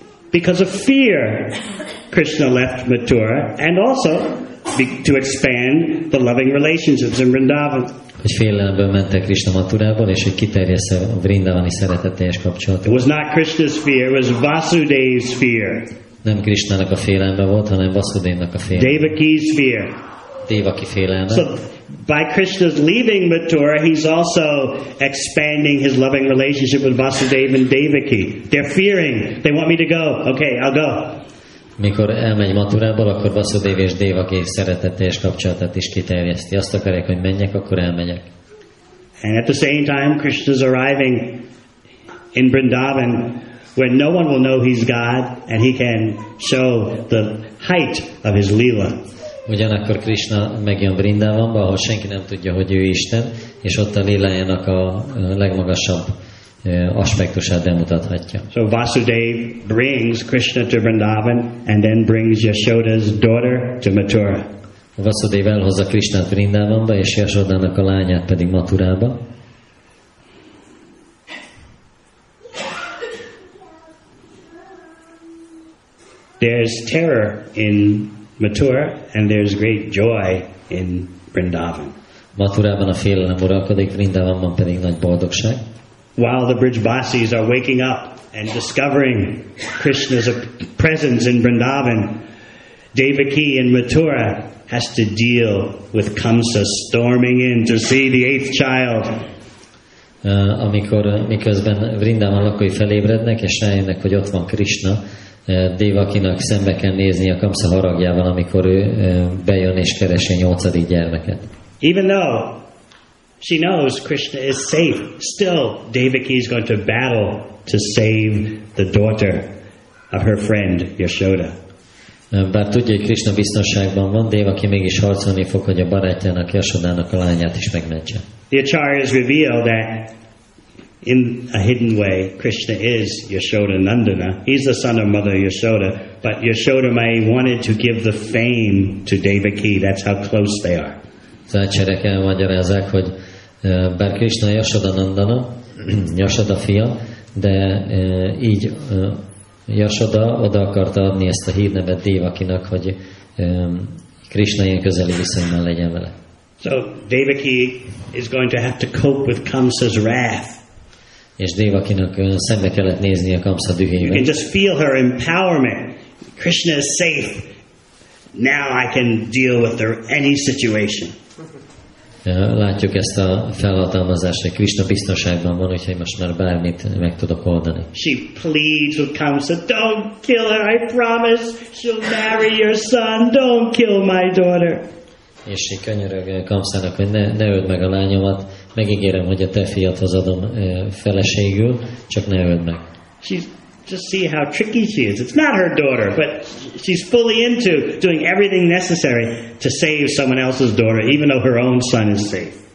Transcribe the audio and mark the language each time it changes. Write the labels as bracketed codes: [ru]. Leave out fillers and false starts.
[en] Because of fear, Krishna left Mathura, and also to expand the loving relationships in Vrindavan. [hu] Hogy félelemből ment el Krishna Mathurából, és hogy kiterjessze a vrindavani szeretetteljes kapcsolatot. [en] It was not Krishna's fear, it was Vasudev's fear. [hu] Nem Krishnának a félelme volt, hanem Vasudevnak a félelme. [en] Devaki's fear. [hu] Devaki félelme. [en] So, by Krishna's leaving Mathura, he's also expanding his loving relationship with Vasudev and Devaki. They're fearing. They want me to go. Okay, I'll go. [hu] Mikor elmegy Mathurából, akkor Vasudev és Devaki szeretetteljes kapcsolatát is kiterjeszti. Azt akarják, hogy menjek, akkor elmegyek. [en] And at the same time, Krishna's arriving in Vrindavan, where no one will know he's God, and he can show the height of his lila. [hu] Ugyanakkor Krishna megjön Vrindavanba, ahol senki nem tudja, hogy ő Isten, és ott a lilájának a legmagasabb aspektusát bemutathatja. [en] So Vasudev brings Krishna to Vrindavan and then brings Yashoda's daughter to Mathura. [hu] Vasudev elhozza Krishnát Vrindavanba és Yashodának a lányát pedig Mathurába. [en] There's terror in Mathura and there's great joy in Vrindavan. [hu] Mathurában a félelem uralkodik, Vrindavanban pedig nagy boldogság. [en] While the Brijbasis are waking up and discovering Krishna's presence in Vrindavan, Devaki in Mathura has to deal with Kamsa storming in to see the eighth child. [hu] Amikor miközben Vrindavan lakói felébrednek és rájönnek, hogy ott van Krishna, Devakinak szembe kell nézni a Kamsa haragjával, amikor ő bejön és keresi a nyolcadik gyermeket. [en] Even though she knows Krishna is safe, still Devaki is going to battle to save the daughter of her friend Yashoda. [hu] Bár tudja, hogy Krishna biztonságban van, Devaki mégis harcolni fog, hogy a barátjának, Yashodának a lányát is megmentse. [en] The acharyas reveal that in a hidden way Krishna is Yashoda Nandana. He's the son of Mother Yashoda, but Yashoda may wanted to give the fame to Devaki. That's how close they are. [hu] Az acharyák elmagyarázzák, hogy bár Krishna Yashoda Nandana, Yashoda fia, de így Jasoda oda akarta adni ezt a hírnevet Devakinak, hogy Krishna ilyen közeli viszonyban legyen vele. [en] So Devaki is going to have to cope with Kamsa's wrath. [hu] És Devakinak szembe kellett nézni a Kamsa dühében. [en] You can just feel her empowerment. Krishna is safe. Now I can deal with any situation. [hu] Látjuk ezt a felhatalmazást, hogy Krishna biztonságban van, hogyha most már bármit meg tudok oldani. [en] She pleads with Kamsa, don't kill her, I promise she'll marry your son, don't kill my daughter. [hu] És she könyörög Kamsának, hogy ne öld meg a lányomat, megígérem, hogy a te fiathoz adom feleségül, csak ne öld meg. [en] She's just see how tricky she is. It's not her daughter, but she's fully into doing everything necessary to save someone else's daughter, even though her own son is safe.